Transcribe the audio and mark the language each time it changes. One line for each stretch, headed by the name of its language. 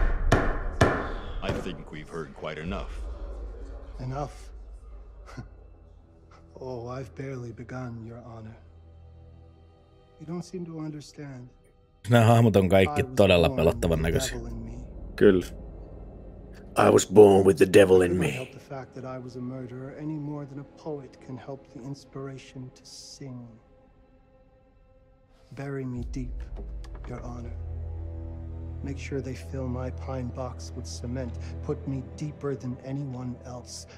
Finnish: Kyllä.
English: I think we've heard quite enough. Enough? Oh, I've barely begun, Your Honor. You don't seem to understand.
Finnish: Nämä hahmot on kaikki todella pelottavan näköisiä. Kyllä.
English: I was born with the devil in me. The fact that I was a murderer any more than a poet can help the inspiration to sing. Bury me deep, Your Honor. Make sure they fill my pine box with cement. Put me deeper than anyone else.